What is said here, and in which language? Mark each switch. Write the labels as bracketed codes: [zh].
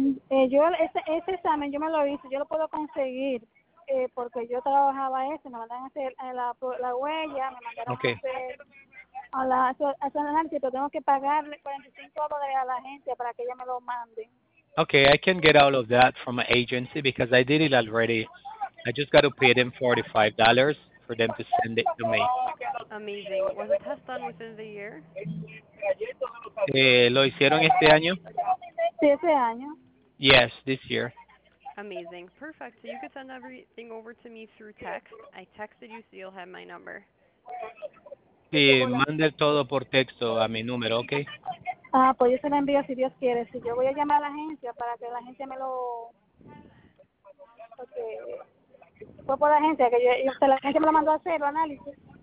[es] Ese examen yo me lo hice, yo lo puedo conseguir. Porque yo trabajaba ese, me mandaron a hacer la huella, me mandaron a hacer a la agencia, pero tengo que pagarle $45 a la agencia para que ella me lo mande. [en] Okay, I can get all of that from an agency because I did it already. I just got to pay them $45 for them to send it to me. Amazing. Was the test done within the year? [es] ¿Lo hicieron este año? Sí, este año. [en] Yes, this year. Amazing. Perfect. So you could send everything over to me through text. I texted you, so you'll have my number. [es] Sí, mande todo por texto a mi número, okay? Ah, pues yo se lo envío si Dios quiere. Si yo voy a llamar a la agencia para que la agencia me lo... Okay. Fue por la agencia, que yo, la agencia me lo mandó a hacer, el análisis.